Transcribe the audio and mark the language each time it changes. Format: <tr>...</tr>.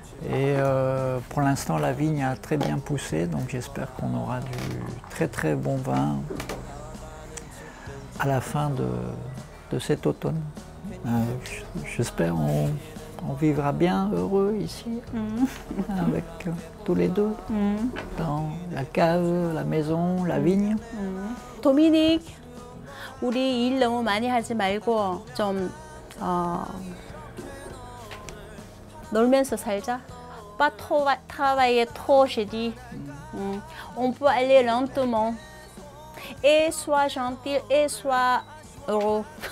<fr>Et pour l'instant, la vigne a très bien poussé, donc j'espère qu'on aura du très très bon vin à la fin de cet automne. J'espère qu'on vivra bien heureux ici avec tous les deux. Dans la cave, la maison, la vigne.</fr> <ko>Dominique, 우리 일 너무 많이 하지 말고 좀 놀면서 살자.</ko> <fr>Pas trop travailler trop, j'ai dit. On peut aller lentement. Et sois gentil et sois heureux.</fr>